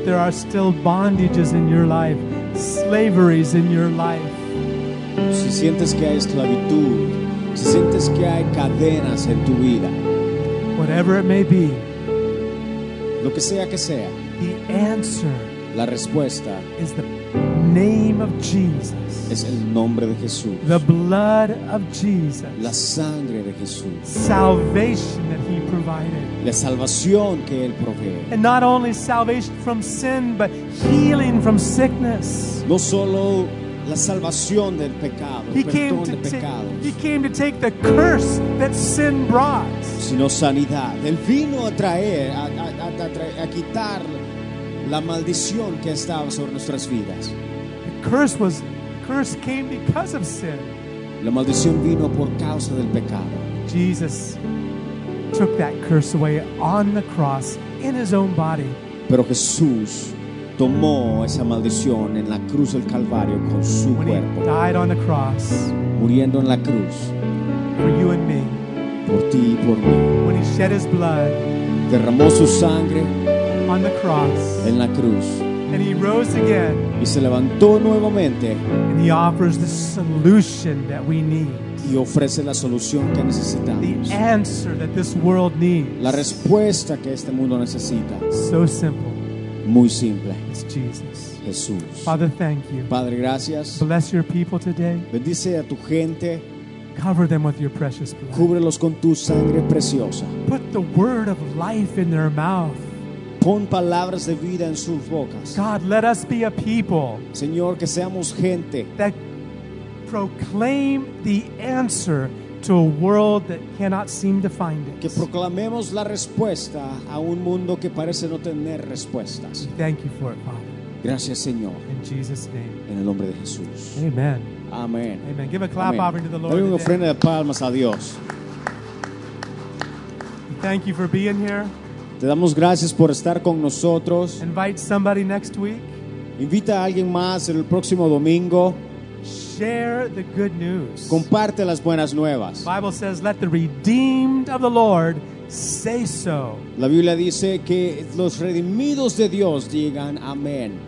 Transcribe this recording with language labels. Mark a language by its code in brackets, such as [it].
[en] Still bondages in your life, slaveries in your life. [es] Si sientes que hay esclavitud, si sientes que hay cadenas en tu vida, [en] whatever it may be, [es] lo que sea, [en] the answer, [es] la respuesta, [en] is the name of Jesus. [es] Es el nombre de Jesús. [en] The blood of Jesus. [es] La sangre de Jesús. [en] Salvation that He provided. [es] La salvación que Él provee. [en] And not only salvation from sin, but healing from sickness. [es] No solo la salvación del pecado, [en] he came to he came to take the curse that sin brought. [es] Sino sanidad. Él vino a traer, a quitar la maldición que estaba sobre nuestras vidas. [en] The curse was, curse came because of sin. [es] La maldición vino por causa del pecado. [en] Jesus took that curse away on the cross in His own body. [es] Pero Jesús tomó esa maldición en la cruz del Calvario con su [en] when [es] cuerpo. [en] He died on the cross, [es] muriendo en la cruz, [en] for you and me, [es] por ti y por mí. [en] When He shed His blood, [es] derramó su sangre [en] on the cross, [es] en la cruz, [en] and He rose again, [es] y se levantó nuevamente, [en] and He offers the solution that we need. [es] Y ofrece la solución que necesitamos. [en] The answer that this world needs. [es] La respuesta que este mundo necesita. [en] So simple. [es] Muy simple. [en] It's Jesus. [es] Jesús. [en] Father, thank you. [es] Padre, gracias. [en] Bless your people today. [es] Bendice a tu gente. [en] Cover them with your precious blood. [es] Cúbrelos con tu sangre preciosa. [en] Put the word of life in their mouth. [es] Pon palabras de vida en sus bocas. [en] God, let us be a people. [es] Señor, que seamos gente. [en] That proclaim the answer to a world that cannot seem to find it. [es] Que proclamemos la respuesta a un mundo que parece no tener respuestas. [en] Thank you for it, Father. [es] Gracias, Señor. [en] In Jesus' name. [es] En el nombre de Jesús. [en] Amen. [es] Amen. [en] Amen. Give a clap offering to the Lord. [es] Dame una ofrenda de palmas a Dios. [en] Thank you for being here. [es] Te damos gracias por estar con nosotros. [en] Invite somebody next week. [es] Invita a alguien más el próximo domingo. [en] Share the good news. [es] Comparte las buenas nuevas. [en] The Bible says, "Let the redeemed of the Lord say so." [es] La Biblia dice que los redimidos de Dios digan, "Amén."